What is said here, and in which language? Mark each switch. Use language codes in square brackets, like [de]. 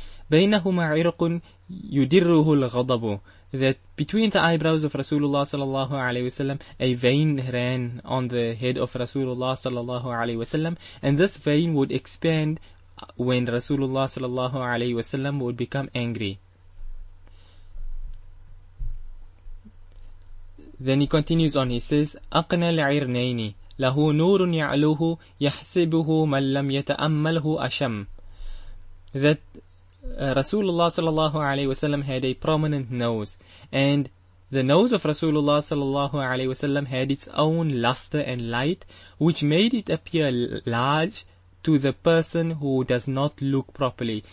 [ar] بَيْنَهُمَا عِرْقٌ يُدِرُّهُ الْغَضَبُ, [en] that between the eyebrows of Rasulullah sallallahu alaihi wasallam, a vein ran on the head of Rasulullah sallallahu alaihi wasallam, and this vein would expand when Rasulullah sallallahu alaihi wasallam would become angry. Then he continues on. He says, [ar] "أَقْنَى الْعِرْنَيْنِ لَهُ نُورٌ يَعْلُوهُ يَحْسَبُهُ مَنْ لَمْ يَتَأَمَّلْهُ أَشَمَّ." [en] That Rasulullah sallallahu alaihi wasallam had a prominent nose, and the nose of Rasulullah sallallahu alaihi wasallam had its own luster and light, which made it appear large to the person who does not look properly.